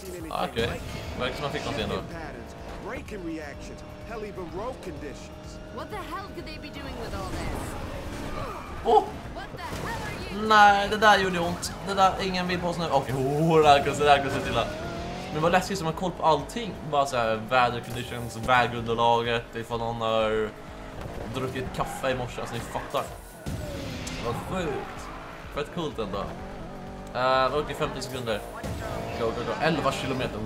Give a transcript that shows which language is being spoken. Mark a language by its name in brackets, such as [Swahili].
[Swedish] Okej, okay. Verkar som att fick någonting ändå. [English] Breaking reactions, hell even road conditions. What the hell could they be doing with all this? [Swedish] Oh! Nej, det där gjorde ont. Det där, ingen vill på oss nu. Okej, okay. Oh, det här kunde se till att... Men vad läskigt som har koll på allting. Bara såhär, [English] weather conditions, [Swedish] vägunderlaget, ifall någon har druckit kaffe i morse. Alltså, ni fattar. Vad sjukt. Fett coolt ändå. Okej, 50 sekunder. Go. 11 kilometer.